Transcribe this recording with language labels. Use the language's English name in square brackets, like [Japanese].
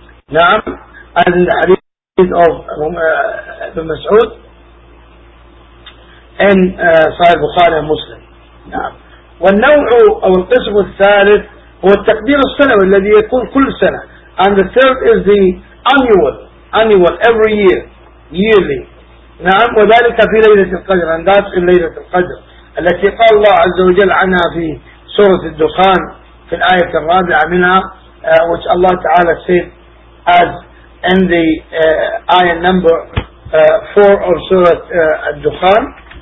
[English] Naam, as in the hadith of Ibn Mas'ud in Sahih Bukhari and Muslim. Naam. [Arabic] والنوع أو القسم الثالث هو التقدير السنوي الذي يكون كل سنة. [English] And the third is the annual, every year, yearly. [Arabic] نعم وذلك في ليلة القدر. [English] And that's in [Arabic] ليلة القدر التي قال الله عز وجل عنها في سورة الدخان في الآية الرابعة منها, [English] which Allah Ta'ala said as in the ayah number 4 of [Arabic] سورة الدخان.